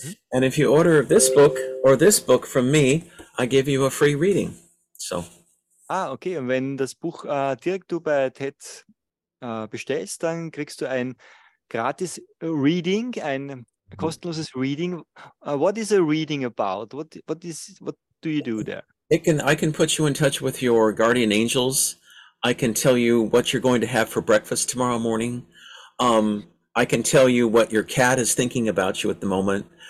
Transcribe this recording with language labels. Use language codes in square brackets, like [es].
[en] And if you order this book or this book from me, I give you a free reading. So. Ah, okay. [de] Und wenn das Buch direkt du bei Ted bestellst, dann kriegst du ein gratis Reading, ein kostenloses Reading. [en] What is a reading about? What do you do there? I can put you in touch with your guardian angels. I can tell you what you're going to have for breakfast tomorrow morning. I can tell you what your cat is thinking about you at the moment.